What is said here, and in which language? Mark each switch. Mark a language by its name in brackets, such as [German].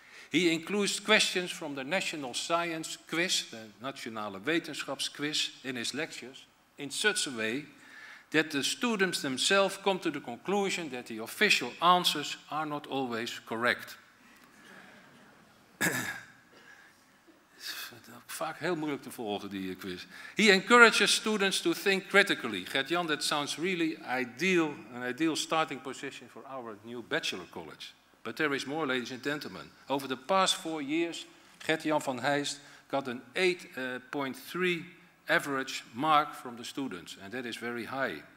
[English] He includes questions from the National Science Quiz, the Nationale Wetenschapsquiz, in his lectures in such a way that the students themselves come to the conclusion that the official answers are not always correct. [Dutch] Vaak heel moeilijk te volgen, die quiz. [English] He encourages students to think critically. Gert-Jan, that sounds really an ideal starting position for our new bachelor college. But there is more, ladies and gentlemen. Over the past 4 years, Gert-Jan van Heist got an 8.3 average mark from the students, and that is very high.